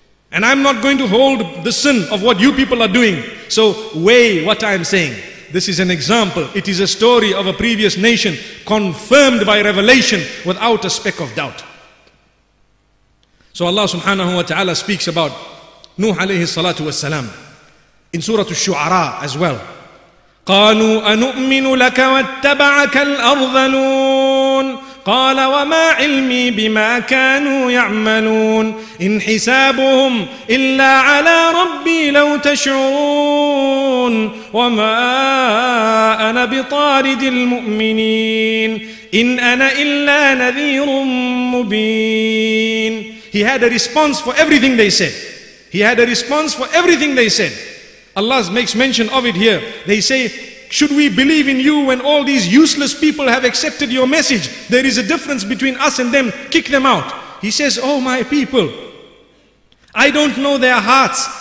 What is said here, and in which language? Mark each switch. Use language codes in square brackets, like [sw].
[en] And I'm not going to hold the sin of what you people are doing. So weigh what I am saying. This is an example. It is a story of a previous nation confirmed by revelation without a speck of doubt. So Allah subhanahu wa ta'ala speaks about Nuh alayhi salatu wa salam in Surah Al-Shu'ara as well. [ar] قَالُوا أَنُؤْمِنُ لَكَ وَاتَّبَعَكَ الْأَرْضَلُونَ قال وما علمي بما كانوا يعملون إن حسابهم إلا على ربي لو تشعرون وما أنا بطارد المؤمنين إن أنا إلا نذير مبين. [en] He had a response for everything they said. He had a response for everything they said. Allah makes mention of it here. They say, should we believe in you when all these useless people have accepted your message? There is a difference between us and them. Kick them out. He says, oh my people, I don't know their hearts.